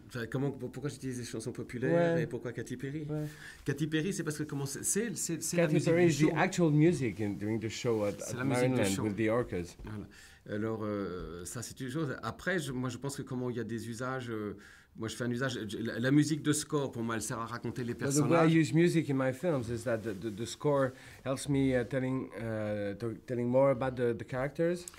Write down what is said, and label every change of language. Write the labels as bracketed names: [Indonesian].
[French] Comment pourquoi j'utilise des chansons populaires et pourquoi Katy Perry? Katy Perry, c'est parce que comment c'est [English] Katy Perry is the actual music during the show at Marineland with the orcas. [French] Alors ça c'est une chose. Après, moi je pense que comment il y a des usages Moi, je fais un usage. La musique de score, pour moi, elle sert à raconter les personnages. [English] The way I use music in my films is that the score helps me telling more about the characters.